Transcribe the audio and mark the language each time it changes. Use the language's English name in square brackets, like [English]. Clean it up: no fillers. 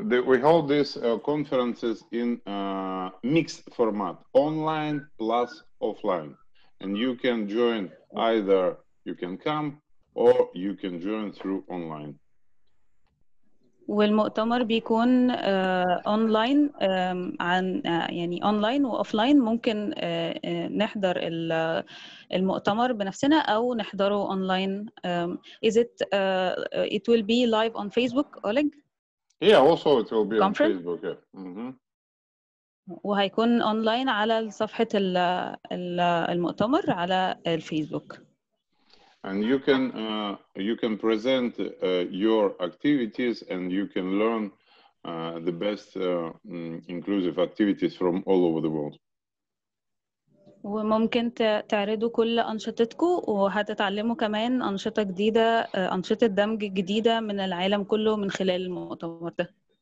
[English] we hold these conferences in mixed format, online plus offline, and you can join either you can come or you can join through online. [Arabic] والمؤتمر بيكون online عن يعني online وoffline ممكن نحضر المؤتمر بنفسنا أو نحضره online. [English] Is it it will be live on Facebook, Oleg? Yeah, also it will be conference? On Facebook. Yeah. [Arabic] وهيكون online على صفحة المؤتمر على الفيسبوك. [English] And you can present your activities and you can learn the best inclusive activities from all over the world. [Arabic] وممكن تعرضوا كل أنشطتكم وهتتعلموا كمان أنشطة جديدة أنشطة دمج جديدة من العالم كله من خلال المؤتمر ده.